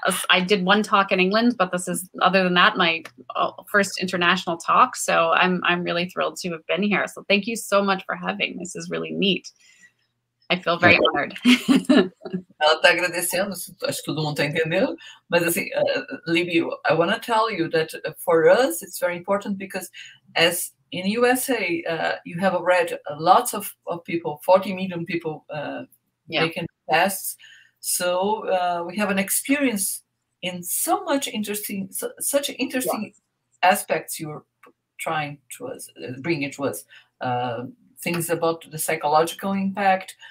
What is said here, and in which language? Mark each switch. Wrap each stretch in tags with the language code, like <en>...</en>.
<en>I did one talk in England, but this is, other than that, my first international talk. So I'm really thrilled to have been here. So thank you so much for having. This is really neat. I feel very honored.</en> <pt>Ela está agradecendo, acho que todo mundo está entendendo. Mas assim,</pt> <en>Libby, I want to tell you that for us, it's very important because as in USA, you have read lots of people, 40 million people making tests. So we have an experience in so much interesting, such interesting aspects you're trying to us, bringing to us, things about the psychological impact.</en>